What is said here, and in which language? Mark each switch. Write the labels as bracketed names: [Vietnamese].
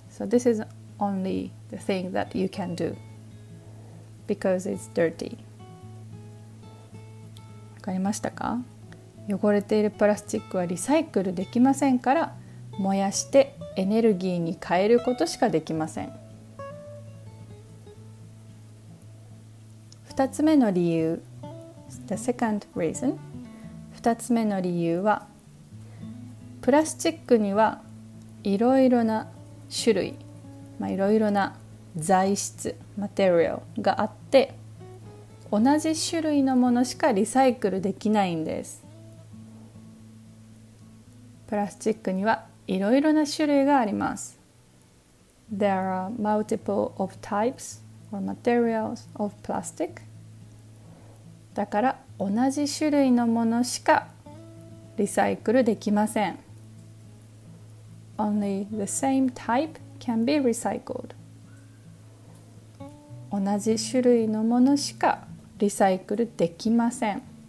[English] So this is only the thing that you can do because it's dirty。 [Japanese] わかりましたか？汚れているプラスチックはリサイクルできませんから、燃やしてエネルギーに変えることしかできません。 2つ目の理由、 [English] The second reason、 [Japanese] 2つ目の理由は、プラスチックにはいろいろな種類、いろいろな材質、マテリアルがあって、同じ種類のものしかリサイクルできないんです。プラスチックにはいろいろな種類があります。 [English] There are multiple of types or materials of plastic. [Japanese] だから同じ種類のものしかリサイクルできません。 [English] Only the same type can be recycled. [Japanese] 同じ種類のものしかリサイクルできません。